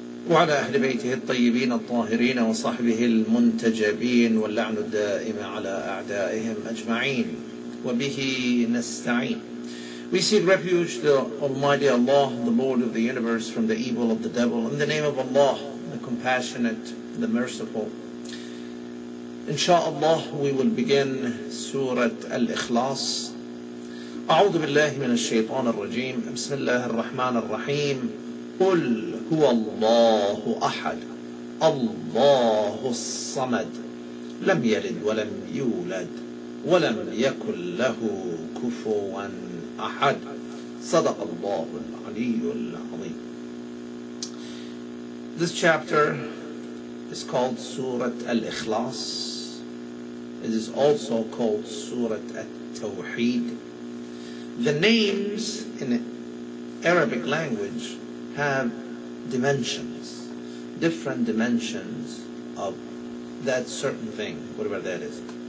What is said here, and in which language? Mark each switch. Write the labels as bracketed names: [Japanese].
[Arabic] وعلى أهل بيته الطيبين الطاهرين وصحبه المنتجبين، واللعن الدائم على أعدائهم أجمعين، وبه نستعين. [English] We seek refuge to Almighty Allah, the Lord of the universe, from the evil of the devil. In the name of Allah, the compassionate, the merciful. Insha'Allah, we will begin Surah Al-Ikhlas. [Arabic] أعوذ بالله من الشيطان الرجيم. بسم الله الرحمن الرحيم. قل هو الله أحد، الله الصمد، لم يلد ولم يولد، ولم يكن له كفوا أحد. صدق الله العلي العظيم. [English] This chapter is called Surah Al-Ikhlas. It is also called Surah At-Tawheed. The names in Arabic language have dimensions, different dimensions of that certain thing, whatever that is.